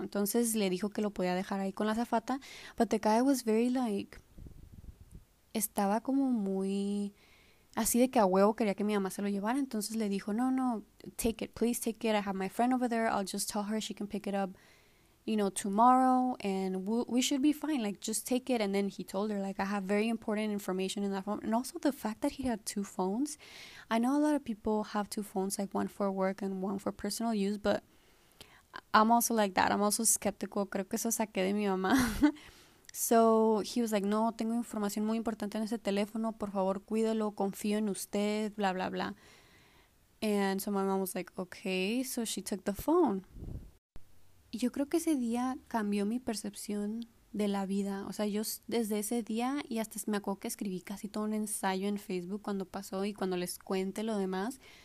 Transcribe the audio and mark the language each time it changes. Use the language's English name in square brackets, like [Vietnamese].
[Spanish] Entonces le dijo que lo podía dejar ahí con la azafata, [English] but the guy was very like, [Spanish] estaba como muy así de que a huevo quería que mi mamá se lo llevara, entonces le dijo, no, no, [English] take it, please take it, I have my friend over there, I'll just tell her she can pick it up, you know, tomorrow, and we should be fine, like, just take it. And then he told her, like, I have very important information in that phone. And also the fact that he had two phones, I know a lot of people have two phones, like one for work and one for personal use, but I'm also like that, I'm also skeptical, [Spanish] creo que eso saqué de mi mamá. [English] So he was like, [Spanish] no, tengo información muy importante en ese teléfono, por favor, cuídelo, confío en usted, bla, bla, bla. [English] And so my mom was like, okay, so she took the phone. [Spanish] Y yo creo que ese día cambió mi percepción de la vida. O sea, yo desde ese día, y hasta me acuerdo que escribí casi todo un ensayo en Facebook cuando pasó y cuando les cuente lo demás.